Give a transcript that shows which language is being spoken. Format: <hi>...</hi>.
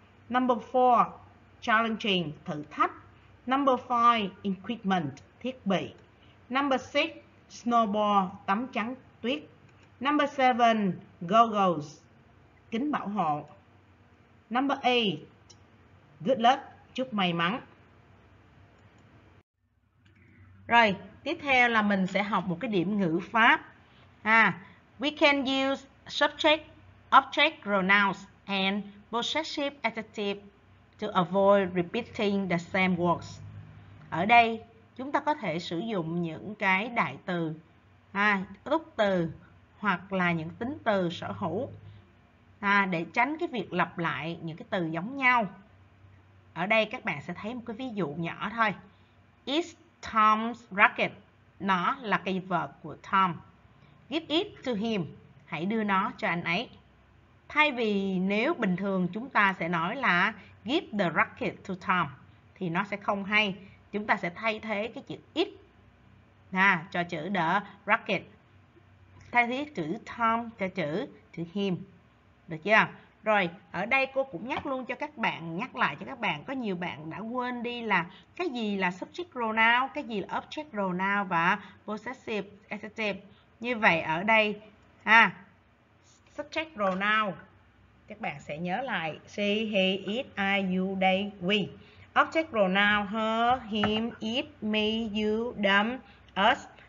<en>Number 4, challenging,</en> <vi>thử thách.</vi> <en>Number 5, equipment,</en> <vi>thiết bị.</vi> <en>Number 6, snowboard,</en> <vi>tấm trắng tuyết.</vi> <en>Number 7, goggles,</en> <vi>kính bảo hộ.</vi> <en>Number 8, good luck,</en> <vi>chúc may mắn. Rồi, tiếp theo là mình sẽ học một cái điểm ngữ pháp.</vi> <en>We can use subject, object pronouns and possessive adjective to avoid repeating the same words.</en> <vi>Ở đây, chúng ta có thể sử dụng những cái đại từ, túc từ hoặc là những tính từ sở hữu để tránh cái việc lặp lại những cái từ giống nhau. Ở đây các bạn sẽ thấy một cái ví dụ nhỏ thôi.</vi> <en>It's Tom's racket.</en> <vi>Nó là cây vợt của Tom.</vi> <en>Give it to him.</en> <vi>Hãy đưa nó cho anh ấy. Thay vì nếu bình thường chúng ta sẽ nói là</vi> <en>give the racket to Tom</en> <vi>thì nó sẽ không hay. Chúng ta sẽ thay thế cái chữ it cho chữ the racket. Thay thế chữ Tom cho chữ him. Được chưa? Rồi, ở đây cô cũng nhắc luôn cho các bạn, nhắc lại cho các bạn, có nhiều bạn đã quên đi là cái gì là subject pronoun, cái gì là object pronoun và possessive adjective. Như vậy ở đây subject pronoun các bạn sẽ nhớ lại she, he, it, I, you, they, we.</vi> <en>Object pronoun her, him, it, me, you, them, us.</en>